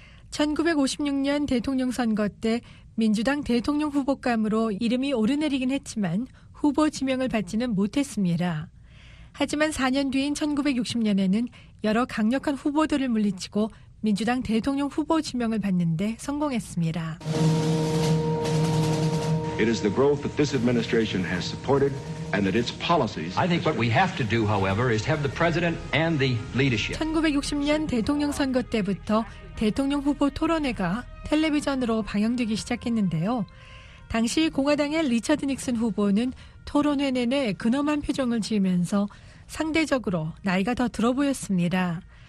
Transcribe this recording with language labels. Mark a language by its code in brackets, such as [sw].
[ko] 1956년 대통령 선거 때 민주당 대통령 후보감으로 이름이 오르내리긴 했지만 후보 지명을 받지는 못했습니다. 하지만 4년 뒤인 1960년에는 여러 강력한 후보들을 물리치고 민주당 대통령 후보 지명을 받는 데 성공했습니다. [en] It is the growth that this administration has supported and that its policies. I think what we have to do, however, is have the president and the leadership. [ko] 1960년 대통령 선거 때부터 대통령 후보 토론회가 텔레비전으로 방영되기 시작했는데요. 당시 공화당의 리처드 닉슨 후보는 토론회 내내 근엄한 표정을 지으면서 상대적으로 나이가 더 들어 보였습니다.